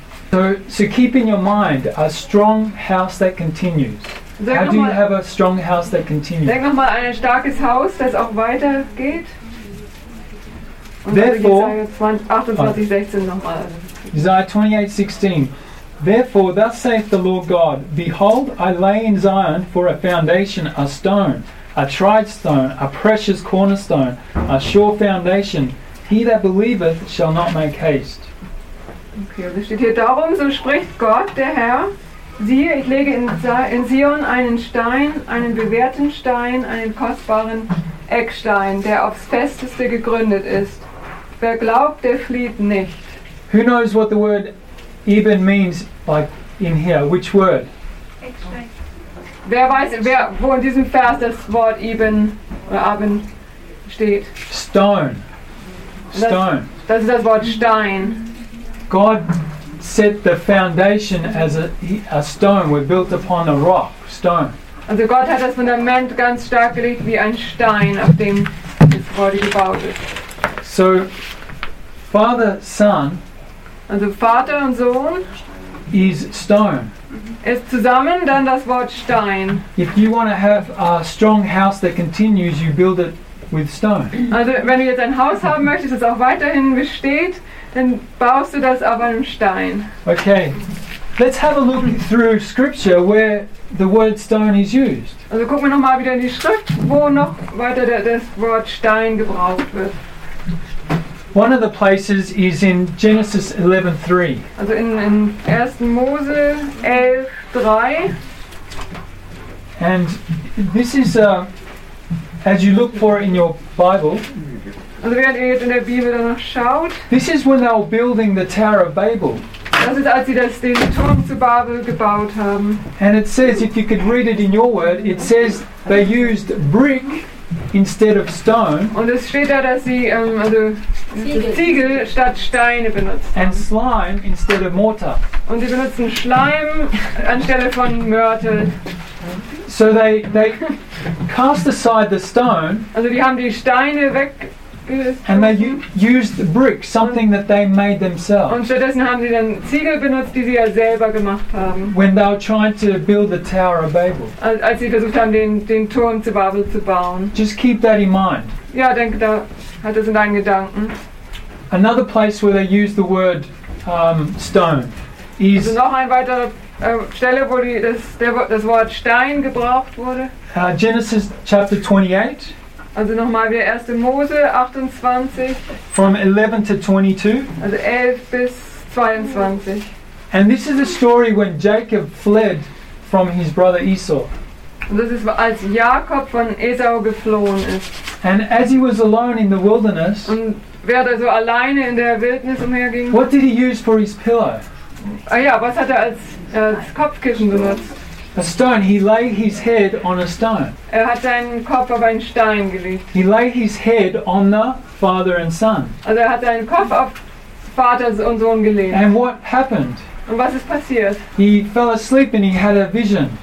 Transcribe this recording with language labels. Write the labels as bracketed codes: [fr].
[en] So keep in your mind a strong house that continues. [de] Denk [en] How do you have a strong house that continues? [de] Denk nochmal an ein starkes Haus, das auch weitergeht. Und [en] Therefore, Isaiah 28:16. Therefore, thus saith the Lord God, Behold, I lay in Zion for a foundation a stone, a tried stone, a precious cornerstone, a sure foundation. He that believeth shall not make haste. [de] Okay, und es steht hier, darum so spricht Gott, der Herr, siehe, ich lege in Zion einen Stein, einen bewährten Stein, einen kostbaren Eckstein, der aufs Festeste gegründet ist. Wer glaubt, der flieht nicht. [en] Who knows what the word even means, like in here, which word? [de] Eckstein. Wer weiß, wo in diesem Vers das Wort even oder aben steht? [en] Stone. Stone. [de] Das ist das Wort Stein. [en] God set the foundation as a stone. We're built upon a rock, stone. [de] Also Gott hat das Fundament ganz stark gelegt wie ein Stein, auf dem das Gebäude gebaut ist. [en] So, Father, Son. [de] Also Vater und Sohn. [en] Is stone. [de] Ist zusammen dann das Wort Stein. [en] If you want to have a strong house that continues, you build it with stone. [de] Also wenn du jetzt ein Haus haben möchtest, das auch weiterhin besteht. Dann baust du das auf einem Stein. [en] Okay, let's have a look through Scripture where the word stone is used. [de] Also gucken wir nochmal wieder in die Schrift, wo noch weiter das Wort Stein gebraucht wird. [en] One of the places is in Genesis 11:3. [de] Also in 1. Mose 11, 3. [en] And this is, as you look for it in your Bible, [de] also während ihr jetzt in der Bibel danach schaut. [en] This is when they were building the Tower of Babel. [de] Das ist, als sie den Turm zu Babel gebaut haben. [en] And it says, if you could read it in your word, it says they used brick instead of stone. [de] Und es steht da, dass sie Ziegel statt Steine benutzt haben. [en] And slime instead of mortar. [de] Und sie benutzen Schleim anstelle von Mörtel. [en] So they cast aside the stone. [de] Also die haben die Steine weg. [en] And they used the brick, something that they made themselves. [de] Und stattdessen haben sie dann Ziegel benutzt, die sie ja selber gemacht haben. [en] When they were trying to build the Tower of Babel. [de] Als sie versucht haben, den Turm zu Babel zu bauen. [en] Just keep that in mind. [de] Ja, denk da, hat das in deinen Gedanken. [en] Another place where they use the word stone is. [de] Also noch ein weiterer Stelle, wo das Wort Stein gebraucht wurde. [en] Genesis chapter 28. [de] Also nochmal wieder 1. Mose 28. [en] From 11 to 22. [de] Also 11 bis 22. [en] And this is a story when Jacob fled from his brother Esau. [de] Und das ist, als Jakob von Esau geflohen ist. [en] And as he was alone in the wilderness, [de] und während er so alleine in der Wildnis umherging, [en] what did he use for his pillow? [de] Ah ja, was hat er als, als Kopfkissen benutzt? [en] A stone. He laid his head on a stone. [de] Er hat seinen Kopf auf einen Stein gelegt. [en] He laid his head on the father and son. [de] Also er hat seinen Kopf auf Vater und Sohn gelegt. [en] And what happened? [de] Und was ist passiert? [en] He fell asleep and he had a vision.